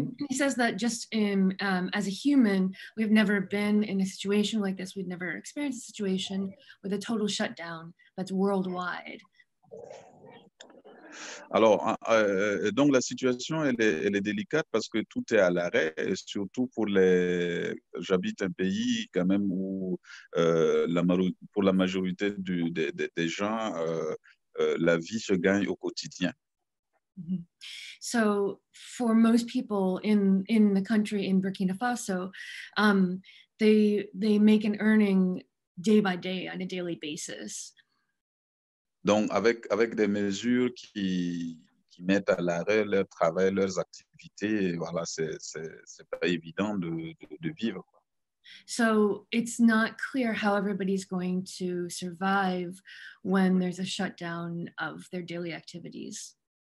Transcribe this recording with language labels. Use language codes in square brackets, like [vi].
[en] He says that just as a human, we've never been in a situation like this. We've never experienced a situation with a total shutdown that's worldwide. [fr] Alors, donc la situation, elle est délicate parce que tout est à l'arrêt, surtout pour les... J'habite un pays quand même où, pour la majorité des gens, la vie se gagne au quotidien. [en] So, for most people in the country, in Burkina Faso, they make an earning day by day, on a daily basis. [fr] Donc, avec des mesures qui mettent à l'arrêt leur travail, leurs activités, voilà, c'est pas évident de vivre. [en] So, it's not clear how everybody's going to survive when there's a shutdown of their daily activities.